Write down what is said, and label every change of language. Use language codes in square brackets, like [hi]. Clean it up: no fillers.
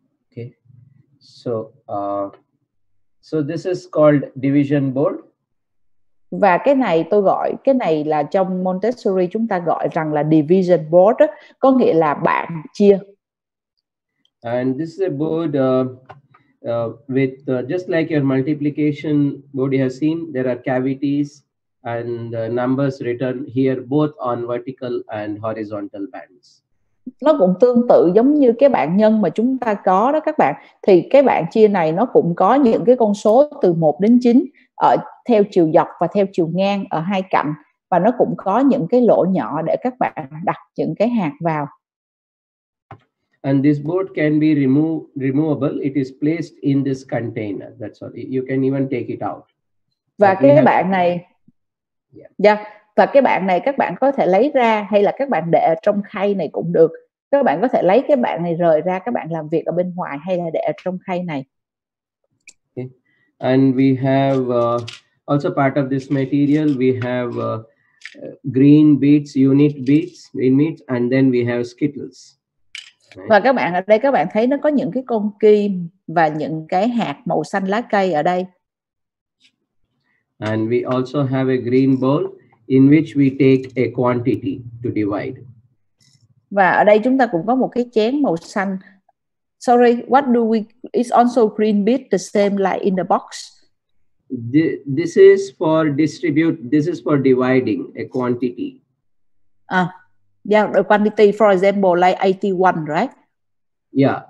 [en] Okay. So this is called division board. [vi] Và cái này tôi gọi, cái này là trong Montessori chúng ta gọi rằng là division board, có nghĩa là bảng chia. [en] And this is a board with just like your multiplication board you have seen, there are cavities and numbers written here both on vertical and horizontal bands. [vi] nó cũng tương tự giống như cái bảng nhân mà chúng ta có đó các bạn. Thì cái bảng chia này nó cũng có những cái con số từ 1 đến 9 ở theo chiều dọc và theo chiều ngang ở hai cạnh, và nó cũng có những cái lỗ nhỏ để các bạn đặt những cái hạt vào. [en] And this board can be removable. It is placed in this container. That's all. You can even take it out. [vi] Và cái bảng này, và cái bảng này các bạn có thể lấy ra hay là các bạn để ở trong khay này cũng được. Các bạn có thể lấy cái bảng này rời ra, các bạn làm việc ở bên ngoài hay là để ở trong khay này. [en] Okay. And we have also part of this material. We have green beets, unit beets, green beets, and then we have skittles. [vi] Và các bạn ở đây các bạn thấy nó có những cái con kim và những cái hạt màu xanh lá cây ở đây. [en] And we also have a green bowl in which we take a quantity to divide. [vi] Và ở đây chúng ta cũng có một cái chén màu xanh. [en] Sorry, what do we, it's also green bit the same like in the box. This is for distribute, this is for dividing a quantity. Yeah, the quantity, for example, like 81, right? Yeah.